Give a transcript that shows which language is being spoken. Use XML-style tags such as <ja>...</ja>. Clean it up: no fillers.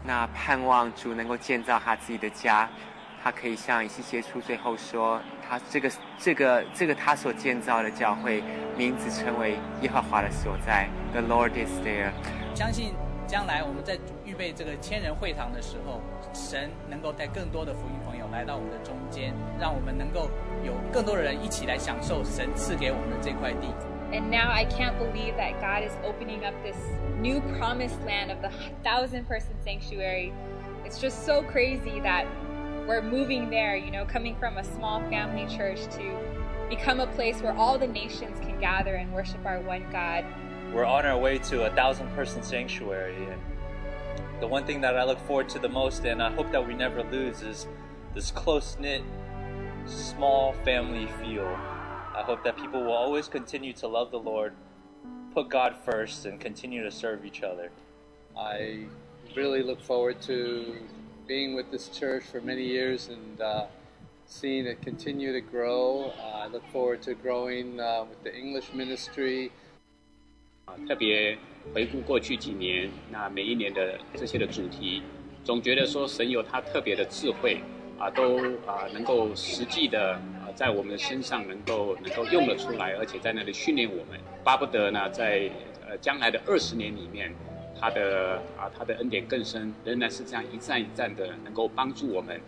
<zh>那盼望主能够建造他自己的家，他可以像以西结书最后说，他这个他所建造的教会，名字成为耶和华的所在 ，</zh> <en>The Lord is there。</en> <zh>相信将来我们在预备这个千人会堂的时候，神能够带更多的福音朋友来到我们的中间，让我们能够有更多的人一起来享受神赐给我们的这块地。</zh> <en>And now I can't believe that God is opening up this new promised land of the 1,000-person sanctuary. It's just so crazy that we're moving there, you know, coming from a small family church to become a place where all the nations can gather and worship our one God. We're on our way to a 1,000-person sanctuary, and the one thing that I look forward to the most, and I hope that we never lose, is this close-knit, small family feel. I hope that people will always continue to love the Lord, put God first, and continue to serve each other. I really look forward to being with this church for many years and seeing it continue to grow. I look forward to growing with the English ministry.</en> <zh>特别回顾过去几年，那每一年的这些的主题，总觉得说神有他特别的智慧，都能够实际的在我们的身上能够用了出来，而且在那里训练我们，巴不得呢在将来的二十年里面，他的恩典更深，仍然是这样一站一站的能够帮助我们。</zh>